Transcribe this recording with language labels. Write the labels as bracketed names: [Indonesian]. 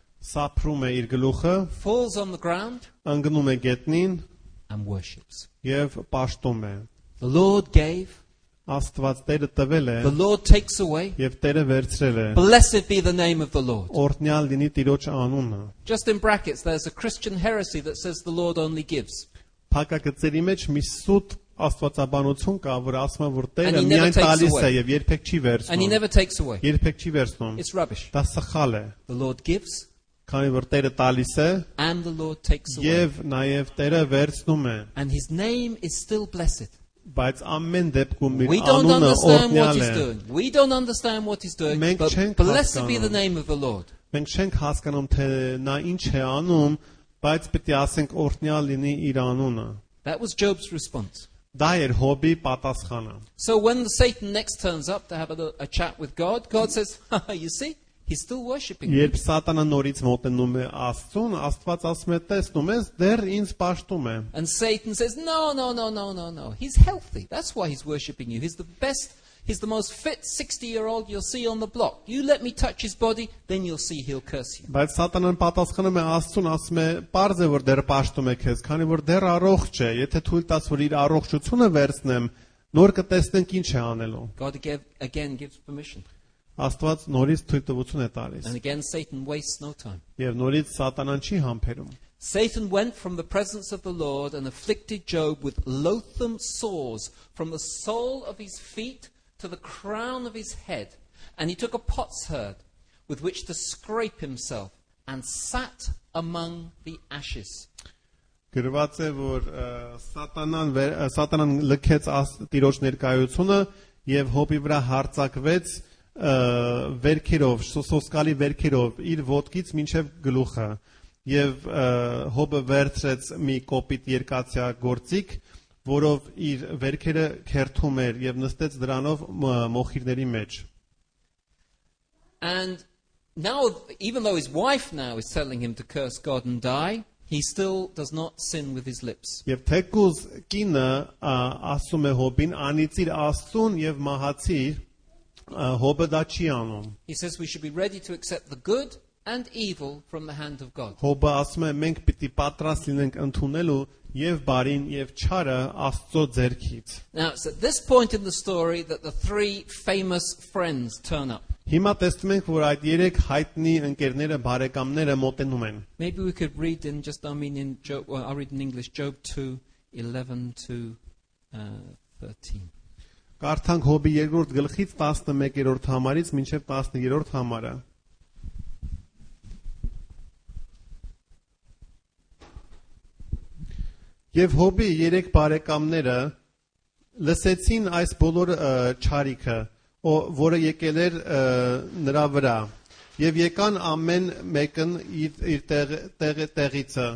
[Armenian] Սափրում է իր գլուխը։ [English] Falls on the ground. [Armenian] Անգնում է գետնին։ [English] And worships. [Armenian] Եվ պաշտում է։ [English] The Lord gave. [Armenian] Աստված Տերը տվել է։ [English] The Lord takes away. [Armenian] Եվ Տերը վերցրել է։ [English] Blessed be the name of the Lord. [Armenian] Օրհնյալ լինի Տիրոջ անունը։ [English] Just in brackets there's a Christian heresy that says the Lord only gives. [Armenian] Փակագծերի մեջ մի սուտ աստվածաբանություն կա, որ ասում է, որ Տերը միայն տալիս է եւ երբեք չի վերցնում։ [English] And he never takes away. [Armenian] Երբեք չի վերցնում։ [English] It's rubbish. [Armenian] Դա սխալ է։ [English] The Lord gives. [Armenian] Քանի որ Տերը տալիս է։ [English] And the Lord takes away. [Armenian] Եվ նաեւ Տերը վերցնում է։ [English] And his name is still blessed. [Armenian] Բայց ամեն դեպքում մեր անունը օրհնյալ է։ [English] We don't understand what he's doing, but blessed be the name of the Lord. [Armenian] Մենք չենք հասկանում, թե նա ինչ է անում, բայց պետք է ասենք օրհնյալ լինի իր անունը։ [English] That was Job's response. [Armenian] Դա էր հոբի պատասխանը. [English] So when Satan next turns up to have a chat with God, God says, you see, he's still worshiping. [Armenian] Երբ Սատանը նորից մոտենում է Աստծուն, Աստված ասում է, տեսնում ես, դեռ ինձ պաշտում է. [English] And Satan says, no, he's healthy. That's why he's worshiping you. He's the most fit 60-year-old you'll see on the block. You let me touch his body, then you'll see he'll curse you. [Armenian] Բայց Սատանան պատասխանում է Աստծուն, ասում է, «Պարզ է, որ դեռ պաշտում է քեզ, քանի որ դեռ առողջ է, եթե թույլ տաս, որ իր առողջությունը վերցնեմ, նոր կտեսնենք ինչ է անելու»։ [English] God again gives permission. [Armenian] Աստված նորից թույլ տվություն է տալիս։ [English] And again Satan wastes no time. [Armenian] Եվ նորից Սատանան չի համբերում։ [English] Satan went from the presence of the Lord and afflicted Job with loathsome sores from the sole of his feet to the crown of his head, and he took a potsherd with which to scrape himself and sat among the ashes. [Armenian] Գրված է, որ Սատանան լքեց տիրոջ ներկայությունը եւ հոբի վրա հարձակվեց վերքերով, սոսկալի վերքերով իր ոտքից մինչեւ գլուխը, եւ հոբը վերցրեց մի կոպիտ երկացյա գործիք, որով իր վերքերը քերթում էր եւ նստեց դրանով մոխիրների մեջ։ [English] And now even though his wife now is telling him to curse God and die, he still does not sin with his lips. [Armenian] Եվ թեկուզ կինը ասում է հոբին, անիծիր Աստծուն եւ մահացիր, հոբը դա չի անում։ [English] He says we should be ready to accept the good and evil from the hand of God. [Armenian] Հոբը ասում է, մենք պիտի պատրաստ լինենք ընդունելու եւ բարին եւ չարը Աստծո ձեռքից։ [English] Now, it's at this point in the story that the three famous friends turn up. [Armenian] Հիմա տեսնում ենք, որ այդ երեք հայտնի ընկերները, բարեկամները մոտենում են։ [English] Maybe we could read in just Armenian Job, well, I'll read in English, Job 2:11-13. [Armenian] Կարդանք Հոբի երկրորդ գլխից 11-րդ համարից մինչև 13-րդ համարը։ Եվ հոբի երեք բարեկամները լսեցին այս բոլոր չարիքը, որը եկել էր նրա վրա, եւ եկան ամեն մեկն իր տեղից